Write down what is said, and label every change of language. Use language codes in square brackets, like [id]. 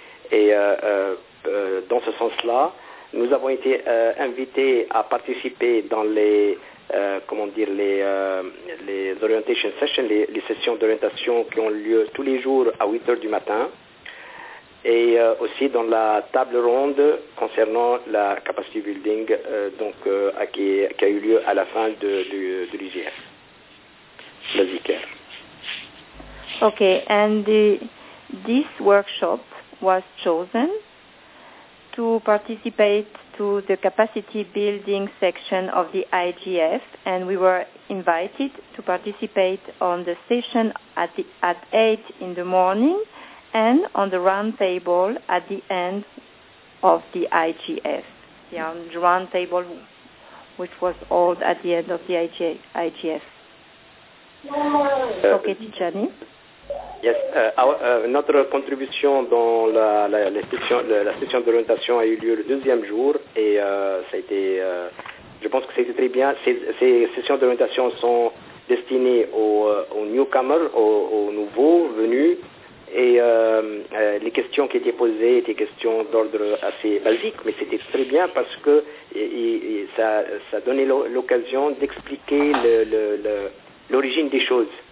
[fr] Et dans ce sens-là, nous avons été invités à participer dans les orientation sessions, les sessions d'orientation qui ont lieu tous les jours à 8h du matin, et aussi dans la table ronde concernant la capacity building qui a eu lieu à la fin de l'IGF. Vas-y, Claire. [en] Ok, and this workshop was chosen to participate to the capacity building section of the IGF, and we were invited to participate on the session at 8 in the morning and on the round table at the end of the IGF. The round table which was held at the end of the IGF. Okay, Tijani. [fr] Yes, notre contribution dans la session d'orientation a eu lieu le deuxième jour et ça a été, je pense que c'était très bien. Ces sessions d'orientation sont destinées aux newcomers, aux nouveaux venus, et les questions qui étaient posées étaient questions d'ordre assez basique, mais c'était très bien parce que ça donnait l'occasion d'expliquer l'origine des choses.